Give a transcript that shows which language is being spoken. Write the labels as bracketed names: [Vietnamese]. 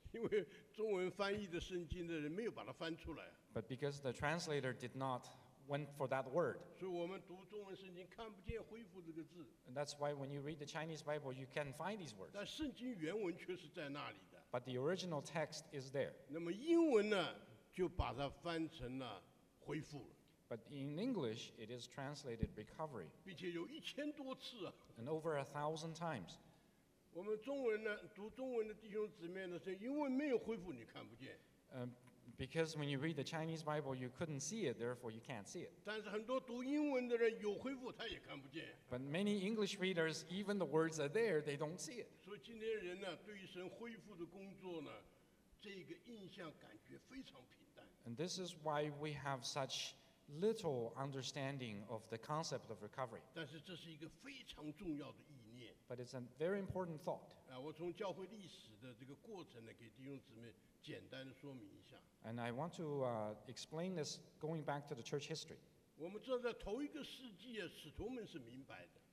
[Chinese] 因为中文翻译的圣经的人没有把它翻出来。 [English] But because the translator did not. Went for that word. And that's why when you read the Chinese Bible, you can find these words. [Chinese] 但圣经原文却是在那里的。 [English] But the original text is there. [Chinese] 那么英文呢，就把它翻成了恢复了。 [English] But in English, it is translated recovery. [Chinese] 并且有1000多次啊。 [English] And over 1000 times. [Chinese] 我们中文呢，读中文的弟兄姊妹呢，说英文没有恢复，你看不见。 [English] Because when you read the Chinese Bible, you couldn't see it, therefore you can't see it. [Chinese] 但是很多读英文的人有恢复，他也看不见。 [English] But many English readers, even the words are there, they don't see it. [Chinese] 所以今天人呢，对于神恢复的工作呢，这个印象感觉非常平淡。 [English] And this is why we have such little understanding of the concept of recovery. [Chinese] 但是这是一个非常重要的意念。 [English] But it's a very important thought. [Chinese] 我从教会历史的这个过程呢，给弟兄姊妹简单的说明一下。 [English] And I want to explain this going back to the church history. [Chinese] 我们知道在头一个世纪啊，使徒们是明白的。